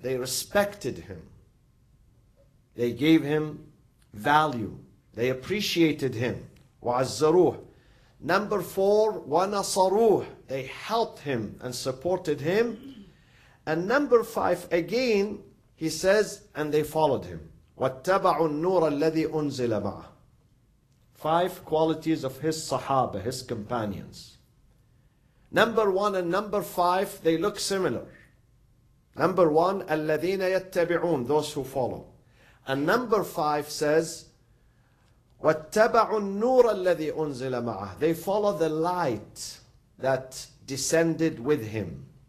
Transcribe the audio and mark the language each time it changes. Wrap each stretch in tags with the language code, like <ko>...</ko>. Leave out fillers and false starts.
<en>They respected him. They gave him value. They appreciated him.</en> <ar>وعزروه.</ar> <en>Number four,</en> <ar>ونصروه.</ar> <en>They helped him and supported him. And number five, again, he says, and they followed him.</en> <ar>واتبعوا النور الذي أنزل معه.</ar> <en>Five qualities of his sahaba, his companions. Number one and number five, they look similar. Number one,</en> <ar>الَّذِينَ يَتَّبِعُونَ,</ar> <en>those who follow. And number five says,</en> <ar>وَاتَّبَعُوا النُّورَ الَّذِي أُنزِلَ مَعَهُ,</ar> <en>they follow the light that descended with him.</en>